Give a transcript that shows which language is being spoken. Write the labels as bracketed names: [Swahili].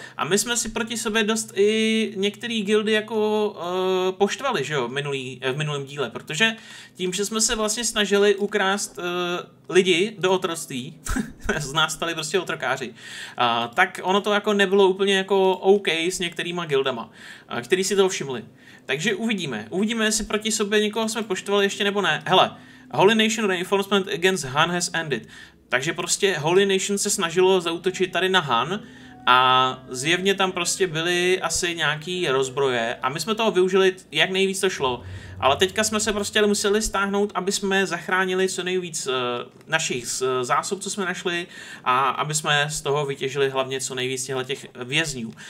[Czech] A my jsme si proti sobě dost i některé gildy jako poštvali, že jo, v minulém díle, protože tím, že jsme se vlastně snažili ukrást lidi do otroctví, z nás stali prostě otrokáři, tak ono to jako nebylo úplně jako OK s některýma gildama, který si to všimli. Takže uvidíme. Uvidíme, jestli proti sobě někoho jsme poštovali ještě nebo ne. [English] Hele, Holy Nation reinforcement against Han has ended. [Czech] Takže prostě Holy Nation se snažilo zaútočit tady na Han a zjevně tam prostě byly asi nějaký rozbroje a my jsme toho využili, jak nejvíc to šlo. Ale teďka jsme se prostě museli stáhnout, aby jsme zachránili co nejvíc našich zásob, co jsme našli a aby jsme z toho vytěžili hlavně co nejvíc těch vězňů.